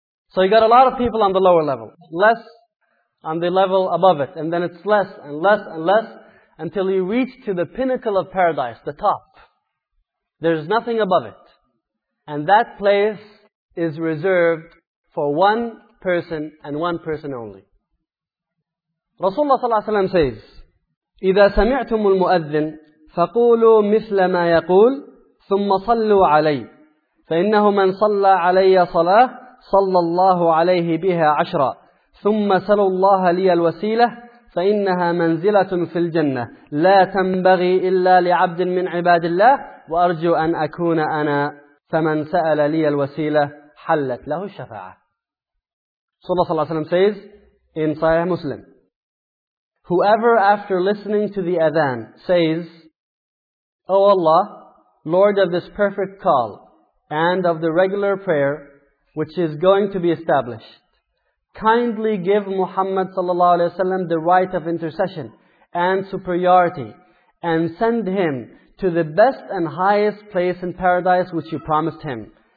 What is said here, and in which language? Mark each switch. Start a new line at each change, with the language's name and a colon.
English: So you got a lot of people on the lower level. Less on the level above it. And then it's less and less and less until you reach to the pinnacle of paradise, the top. There's nothing above it. And that place is reserved for one person and one person only. Rasulullah sallallahu alayhi wa sallam says,
Arabic: إِذَا سَمِعْتُمُ الْمُؤَذِّنِ فَقُولُوا مِثْلَ مَا يَقُولُ ثم صلوا علي فإنه من صلى علي صلاة صلى الله عليه بها 10 ثم سلوا الله لي الوسيلة فإنها منزلة في الجنة لا تنبغي إلا لعبد من عباد الله وأرجو أن أكون أنا فمن سأل لي الوسيلة حلت له الشفاعة.
English: So Allah Sallallahu Alaihi Wasallam says in Sahih Muslim, whoever after listening to the adhan says, O Allah, Lord of this perfect call and of the regular prayer which is going to be established, kindly give Muhammad Sallallahu Alaihi Wasallam the right of intercession and superiority and send him to the best and highest place in paradise which you promised him.